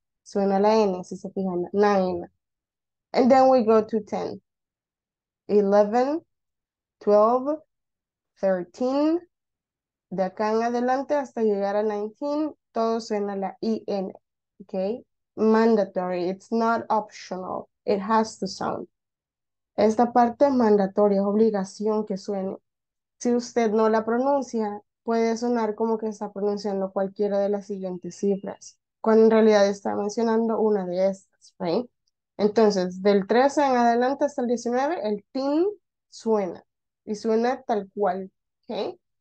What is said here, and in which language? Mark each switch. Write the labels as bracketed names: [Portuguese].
[Spanish] Suena la N, si se fijan, [English] nine. And then we go to 10. 11, 12, 13. [Spanish] De acá en adelante hasta llegar a 19, todo suena la IN, okay? [English] Mandatory, it's not optional, it has to sound. [Spanish] Esta parte es mandatoria, es obligación que suene. Si usted no la pronuncia, puede sonar como que está pronunciando cualquiera de las siguientes cifras, cuando en realidad está mencionando una de estas, right? Entonces, del 13 en adelante hasta el 19, el tin suena, y suena tal cual, okay?